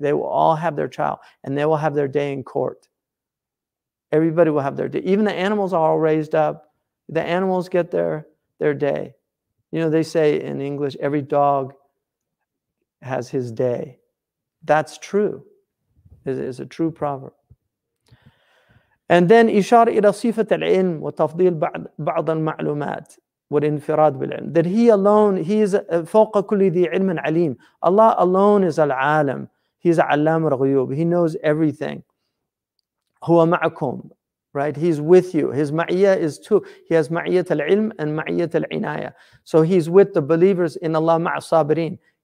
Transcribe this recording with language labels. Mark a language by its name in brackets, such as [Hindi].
[English] They will all have their trial, and they will have their day in court. Everybody will have their day. Even the animals are all raised up. The animals get their day. You know, they say in English, every dog has his day. That's true. It's a true proverb. And then, [Arabic] إشارة إلى صفة العلم وتفضيل بعض المعلومات والانفراد بالعلم. [English] That He alone, He is [Arabic] فوق كل ذي علم عليم. [English] Allah alone is العالم. He is [Arabic] علام الغيوب. [English] He knows everything. [Arabic] هو معكم. [English] Right, He's with you. His ma'iyah is two. He has ma'iyat al-ilm and ma'iyat al-inayah. So He's with the believers [Arabic] in Allah ma'a sabirin.